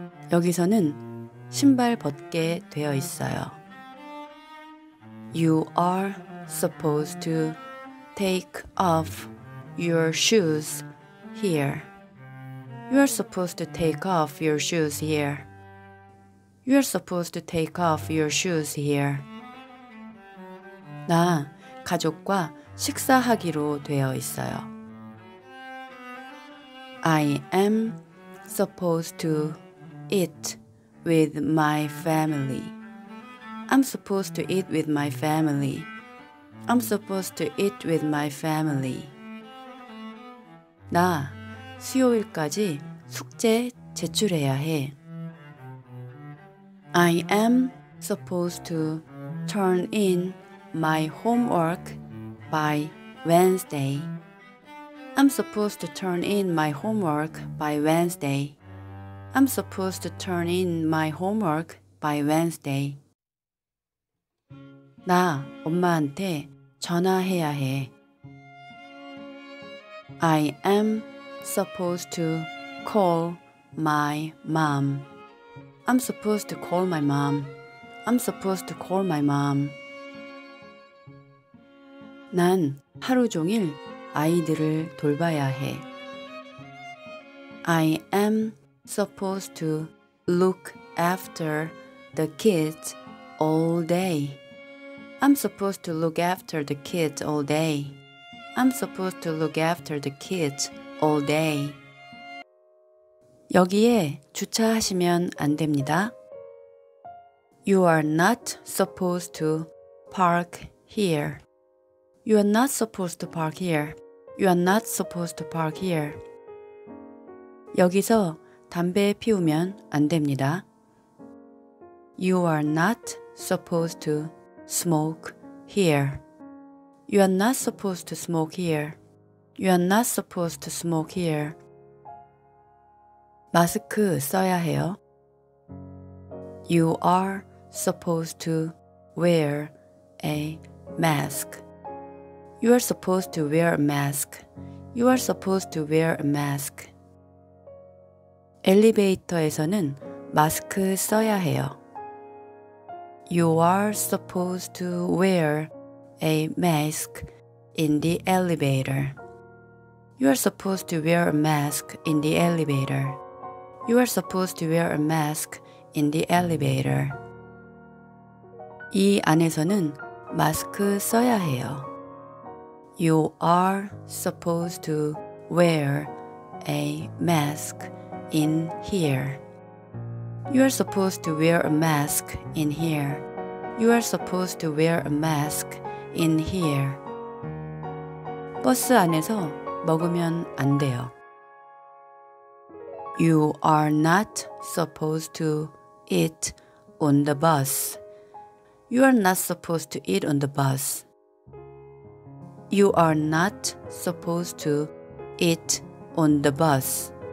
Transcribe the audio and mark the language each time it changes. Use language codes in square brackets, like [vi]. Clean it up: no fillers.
[ko] 여기서는 신발 벗게 되어 있어요. [en] You are supposed to take off your shoes here. You're supposed to take off your shoes here. You're supposed to take off your shoes here. [ko] 나 가족과 식사하기로 되어 있어요. [en] I am supposed to eat with my family. I'm supposed to eat with my family. I'm supposed to eat with my family. [ko] 나 수요일까지 숙제 제출해야 해. [en] I am supposed to turn in my homework by Wednesday. I'm supposed to turn in my homework by Wednesday. I'm supposed to turn in my homework by Wednesday. [ko] 나 엄마한테 전화해야 해. [en] I am supposed to call my mom. I'm supposed to call my mom. I'm supposed to call my mom. [ko] 난 하루 종일 아이들을 돌봐야 해. [en] I am supposed to look after the kids all day. I'm supposed to look after the kids all day. I'm supposed to look after the kids all day. [ko] 여기에 주차하시면 안 됩니다. [en] You are not supposed to park here. You are not supposed to park here. You are not supposed to park here. [ko] 여기서 담배 피우면 안 됩니다. [en] You are not supposed to smoke here. You are not supposed to smoke here. You are not supposed to smoke here. [ko] 마스크 써야 해요. [en] You are supposed to wear a mask. You are supposed to wear a mask. You are supposed to wear a mask. [ko] 엘리베이터에서는 마스크 써야 해요. [en] You are supposed to wear a mask in the elevator. You are supposed to wear a mask in the elevator. You are supposed to wear a mask in the elevator. [ko] 이 안에서는 마스크 써야 해요. [en] You are supposed to wear a mask in here. You are supposed to wear a mask in here. You are supposed to wear a mask in here. [ko] 버스 안에서 먹으면 안 돼요. [en] You are not supposed to eat on the bus. You are not supposed to eat on the bus. You are not supposed to eat on the bus.